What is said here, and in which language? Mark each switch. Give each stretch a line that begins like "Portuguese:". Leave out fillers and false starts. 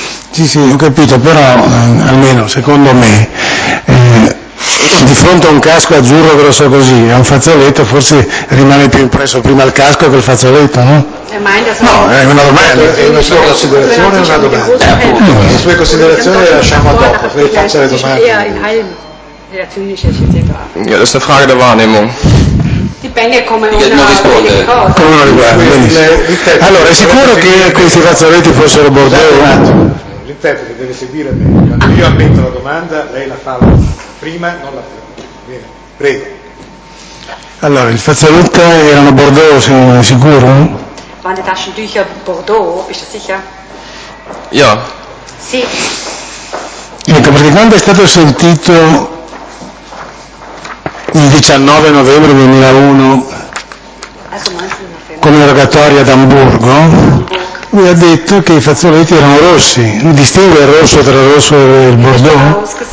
Italian: Sì, sì, ho capito, però almeno secondo me di fronte a un casco azzurro grosso così, a un fazzoletto forse rimane più impresso prima il casco che il fazzoletto, no? No, è una domanda, è una sua considerazione, è una domanda. Le sue considerazioni le lasciamo dopo, lei faccia le domande.
German: Ja, das ist eine Frage der Wahrnehmung.
Italian: Dipende come uno riguarda. Allora, è sicuro che questi fazzoletti fossero bordeaux? Ripeto, deve seguire bene. Io ammetto la domanda, lei la fa prima, non la prima. Bene, prego. Allora, il fazzoletto erano bordeaux, sei sicuro?
German: Waren die Taschentücher Bordeaux, ist das sicher? Ja.
Italian: Sì. Ecco, perché quando è stato sentito il 19 novembre 2001 come rogatoria ad Amburgo, lui ha detto che i fazzoletti erano rossi. Lui distingue il rosso tra il rosso e il Bordeaux.